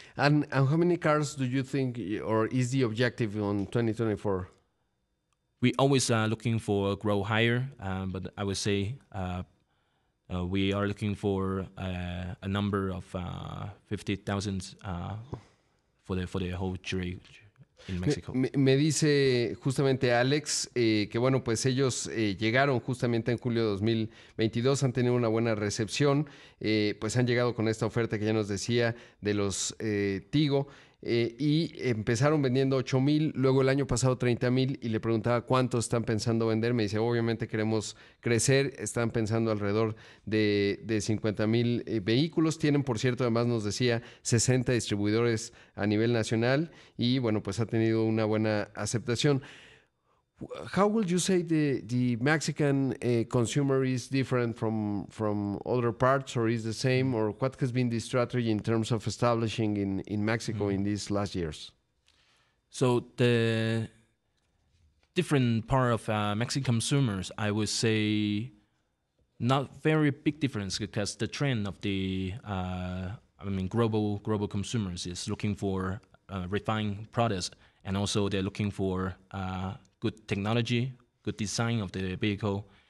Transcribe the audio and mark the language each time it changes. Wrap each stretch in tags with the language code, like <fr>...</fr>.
<en>And how many cars do you think, or is the objective on 2024? We always are looking for grow higher, but I would say we are looking for a number of 50,000 for the whole Chirey in Mexico.</en> <es>Me dice justamente Alex que bueno, pues ellos llegaron justamente en julio de 2022, han tenido una buena recepción, pues han llegado con esta oferta que ya nos decía de los Tigo. Y empezaron vendiendo 8,000, luego el año pasado 30,000 y le preguntaba cuánto están pensando vender. Me dice, obviamente queremos crecer, están pensando alrededor de 50,000 vehículos. Tienen, por cierto, además nos decía, 60 distribuidores a nivel nacional y bueno, pues ha tenido una buena aceptación.</es> <en>How would you say the Mexican consumer is different from other parts, or is the same, or what has been the strategy in terms of establishing in Mexico in these last years? So the different part of Mexican consumers, I would say, not very big difference, because the trend of the global consumers is looking for refined products, and also they're looking for good technology, good design of the vehicle.</en>